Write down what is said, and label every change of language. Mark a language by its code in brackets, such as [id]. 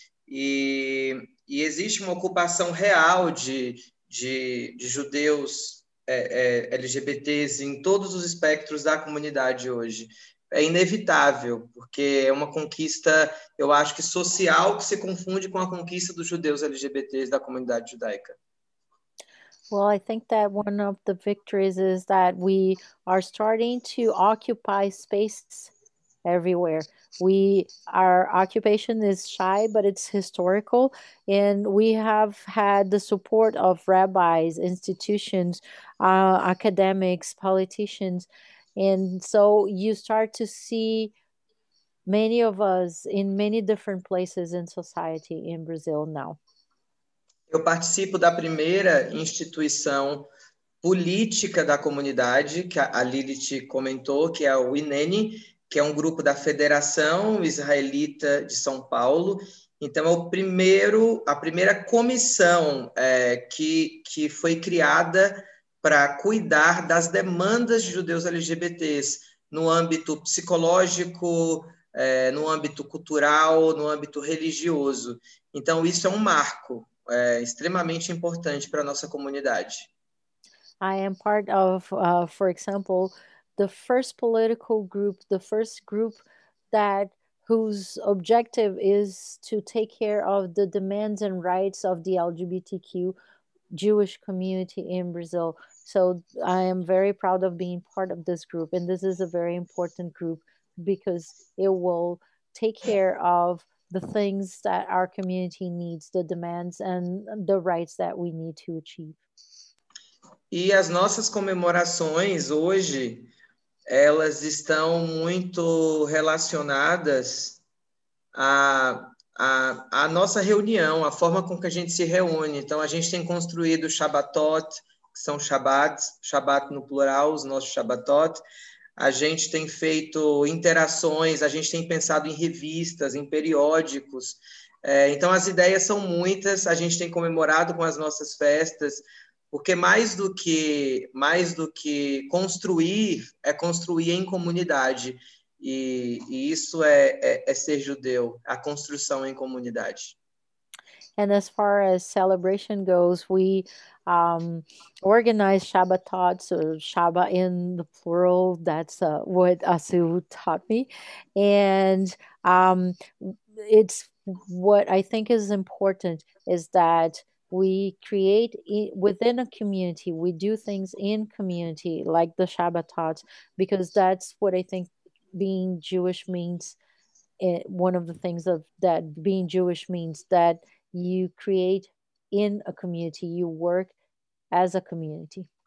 [pt] E existe uma ocupação real de judeus, LGBTs em todos os espectros da comunidade hoje. É inevitável, porque é uma conquista, eu acho que social, que se confunde com a conquista dos judeus LGBTs da comunidade judaica. [en] Well, I think that one of the victories is that we are starting to occupy spaces everywhere. Our occupation is shy, but it's historical, and we have had the support of rabbis, institutions, academics, politicians, and so you start to see many of us in many different places in society in Brazil now. [pt] Eu participo da primeira instituição política da comunidade, que a Lilith comentou, que é o INENI, que é um grupo da Federação Israelita de São Paulo. Então, é a primeira comissão que foi criada para cuidar das demandas de judeus LGBTs no âmbito psicológico, no âmbito cultural, no âmbito religioso. Então, isso é um marco extremamente importante para a nossa comunidade. [en] I am part of, for example, the first political group, the first group that whose objective is to take care of the demands and rights of the LGBTQ Jewish community in Brazil. So I am very proud of being part of this group. And this is a very important group because it will take care of the things that our community needs, the demands and the rights that we need to achieve. [pt] E as nossas comemorações hoje, elas estão muito relacionadas à nossa reunião, à forma com que a gente se reúne. Então, a gente tem construído Shabbatot, que são Shabbats, Shabbat no plural, os nossos Shabbatot. A gente tem feito interações, a gente tem pensado em revistas, em periódicos. Então, as ideias são muitas, a gente tem comemorado com as nossas festas, porque mais do que construir, é construir em comunidade. E isso é ser judeu, a construção em comunidade. [en] And as far as celebration goes, we organize Shabbatot, so Shabbat in the plural, that's what Asu taught me. And it's what I think is important is that we create within a community, we do things in community, like the Shabbatot, because that's what I think being Jewish means, one of the things of that being Jewish means, that you create in a community, you work as a community.